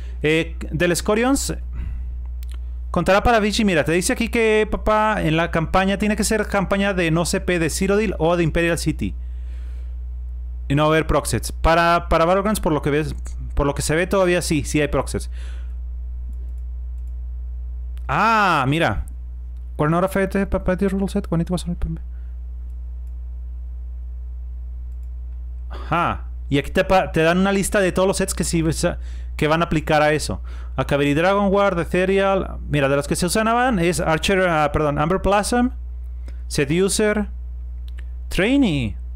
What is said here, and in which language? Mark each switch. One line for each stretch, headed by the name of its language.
Spanish: Del Scorions... contará para Vigi. Mira, te dice aquí que, papá, en la campaña tiene que ser campaña de no CP de Cyrodiil o de Imperial City. Y no va a haber proxets. Para Battlegrounds, por lo que ves, por lo que se ve, todavía sí, sí hay proxets. Ah, mira.
English: We're not affected by the rule set when it was on PvP.
Spanish: Ajá. Y aquí te dan una lista de todos los sets que sí, que van a aplicar a eso. Akaviri Dragon Guard, Ethereal. Mira, de los que se usaban es Archer, perdón, Amber Blossom, Seducer, Trainee.